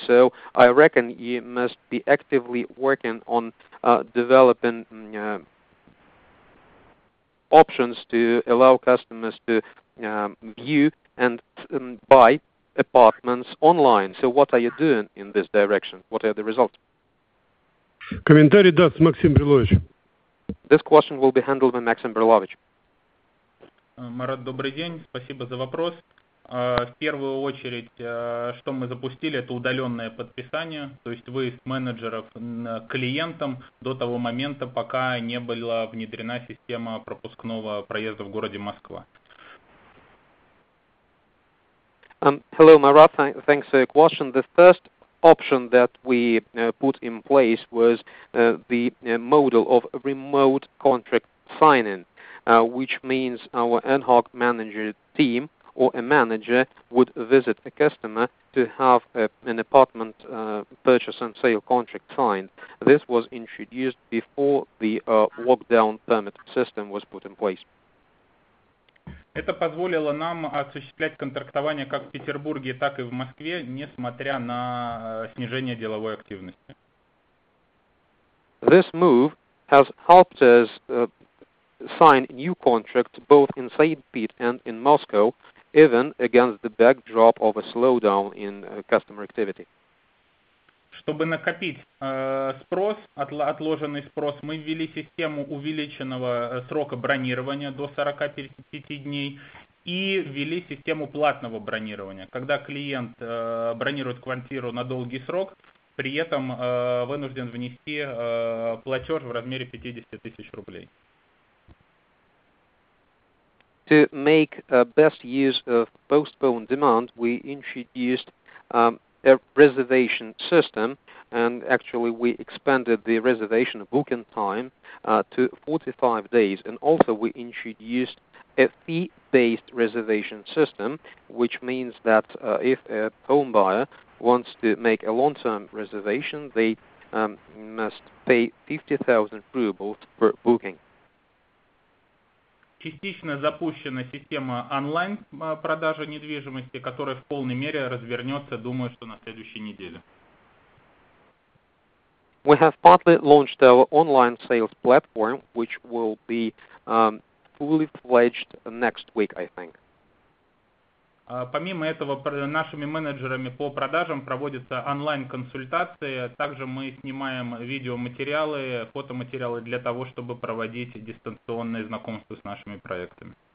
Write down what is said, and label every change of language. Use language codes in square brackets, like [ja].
[en] So I reckon you must be actively working on developing options to allow customers to view and buy apartments online. So what are you doing in this direction? What are the results? [ru] Комментарий даст Максим Брилович. [en] This question will be handled by Максим Брилович. [ru] Марат, добрый день. Спасибо за вопрос. В первую очередь, что мы запустили, это удаленное подписание, то есть выезд менеджеров клиентам до того момента, пока не была внедрена система пропускного проезда в городе Москва. [en] Hello, Marat. Thanks for your question. The first option that we put in place was the model of remote contract signing, which means our ad hoc manager team or a manager would visit a customer to have an apartment purchase and sale contract signed. This was introduced before the lockdown permit system was put in place. [ru] Это позволило нам осуществлять контрактование как в Петербурге, так и в Москве, несмотря на снижение деловой активности. [en] This move has helped us sign new contracts both in St. Pete and in Moscow, even against the backdrop of a slowdown in customer activity. [ru] Чтобы накопить спрос, отложенный спрос, мы ввели систему увеличенного срока бронирования до 45 дней и ввели систему платного бронирования. Когда клиент бронирует квартиру на долгий срок, при этом вынужден внести платеж в размере 50 тысяч рублей. [en] To make best use of postponed demand, we introduced a reservation system, and actually we expanded the reservation booking time to 45 days, and also we introduced a fee-based reservation system, which means that if a home buyer wants to make a long-term reservation, they must pay 50,000 rubles per booking. [ru] Частично запущена система онлайн продажи недвижимости, которая в полной мере развернется, думаю, что на следующей неделе. [en] We have partly launched our online sales platform, which will be fully fledged next week, I think. [ru] Помимо этого, нашими менеджерами по продажам проводятся онлайн-консультации. Также мы снимаем видеоматериалы, фотоматериалы для того, чтобы проводить дистанционные знакомства с нашими проектами.